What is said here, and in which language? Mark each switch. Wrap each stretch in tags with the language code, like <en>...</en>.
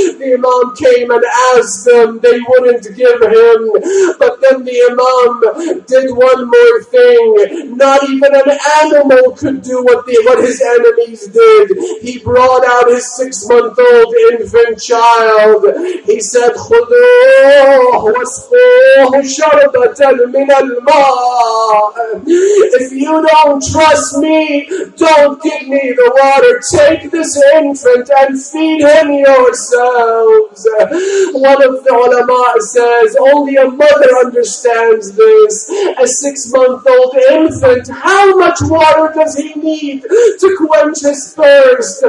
<en>The Imam came and asked them, they wouldn't give him. But then the Imam did one more thing. Not even an animal could do what his enemies did. He brought out his 6-month-old infant child. He said,</en> <ar>خُذُوهُ وَسْقُوهُ شَرْبَةً مِنَ الْمَاءِ.</ar> <en>If you don't trust me, don't give me the water. Take this infant and feed him yourselves. One of the ulama says, only a mother understands this. A 6-month-old infant, how much water does he need to quench his thirst?</en>